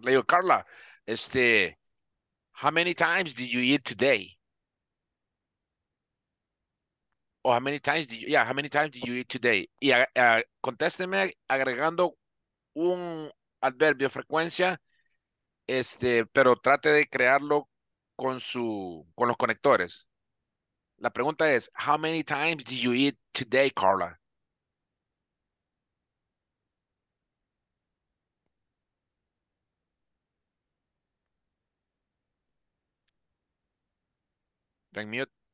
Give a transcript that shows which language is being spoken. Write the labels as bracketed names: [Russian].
[Spanish] Le digo, [English] Carla, how many times did you eat today? Oh, how many times did you, yeah, how many times did you eat today? [Spanish] Y contésteme agregando un adverbio frecuencia, pero trate de crearlo con los conectores. La pregunta es, [English] how many times did you eat today, Carla? Mute.